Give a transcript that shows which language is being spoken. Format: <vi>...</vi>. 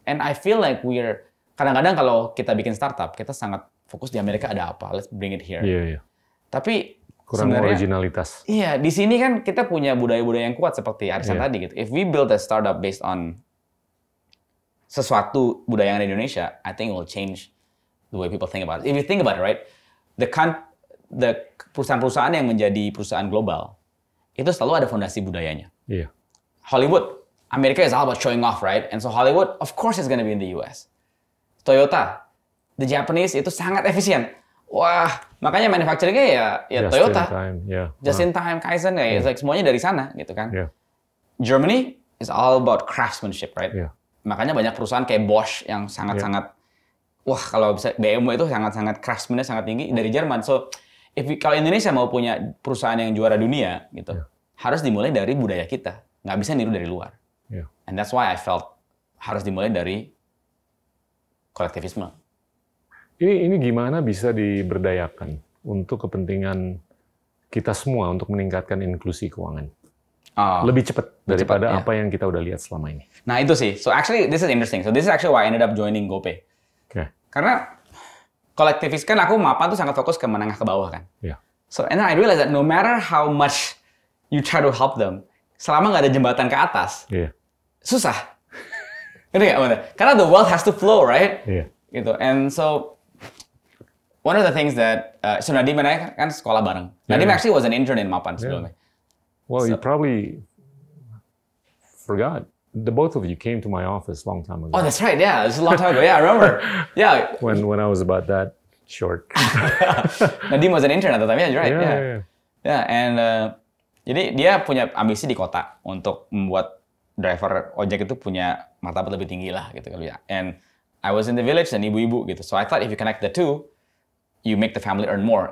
<en>And I feel like we're</en> <id>kadang-kadang kalau kita bikin startup, kita sangat fokus di Amerika ada apa,</id> <en>let's bring it here. Yeah, yeah.</en> <id>Tapi kurang originalitas. Iya, yeah, di sini kan kita punya budaya-budaya yang kuat seperti arisan yeah. tadi gitu.</id> <en>If we build a startup based on</en> <id>sesuatu budaya yang ada di Indonesia,</id> <en>I think it will change the way people think about it. If you think about it, right, the</en> <id>perusahaan-perusahaan yang menjadi perusahaan global itu selalu ada fondasi budayanya. Iya. Yeah.</id> <en>Hollywood, Amerika is all about showing off, right? And so Hollywood, of course, is going to be in the US.</en> <id>Toyota,</id> <en>the Japanese</en> <id>itu sangat efisien. Wah, makanya manufacturing-nya ya</id> <en>just Toyota. Just in time, yeah. Just in time, Kaizen, yeah.</en> <id>It's like semuanya dari sana, gitu kan? Yeah.</id> <en>Germany is all about craftsmanship, right? Yeah.</en> <id>Makanya banyak perusahaan kayak Bosch yang sangat-sangat, yeah. wah, kalau bisa BMW itu sangat-sangat craftsmannya sangat tinggi dari Jerman. So, kalau Indonesia mau punya perusahaan yang juara dunia, gitu, yeah. harus dimulai dari budaya kita. Nggak bisa niru dari luar. Yeah.</id> <en>And that's why I felt</en> <id>harus dimulai dari kolektivisme. Ini gimana bisa diberdayakan untuk kepentingan kita semua untuk meningkatkan inklusi keuangan? Lebih cepat daripada apa yang kita udah lihat selama ini. Nah itu sih.</id> <en>So actually this is interesting. So this is actually why I ended up joining GoPay. Okay.</en> <id>Karena kolektivis kan aku Mapan tuh sangat fokus ke menengah ke bawah kan. Yeah.</id> <en>So and then I realized that no matter how much you try to help them,</en> <id>selama nggak ada jembatan ke atas, yeah. susah. Ini nggak mana? Karena</id> <en>the wealth has to flow, right? Yeah. Gitu. And so one of the things that so Nadiem and I</en> <id>kan sekolah bareng.</id> <en>Nadiem yeah. actually was an intern in Mapan sebelumnya. Yeah. Well, so, you probably forgot. The both of you came to my office long time ago. Oh, that's right. Yeah, it's a long time ago. Yeah, I remember. Yeah. When I was about that short. Nadiem was an intern at the time. Yeah, you're right. Yeah. Yeah. yeah. yeah.</en> <id>And jadi dia punya ambisi di kota untuk membuat driver ojek itu punya martabat lebih tinggi lah gitu kali ya.</id> <en>And I was in the village</en> <id>dan ibu-ibu gitu.</id> <en>So I thought if you connect the two, you make the family earn more.</en>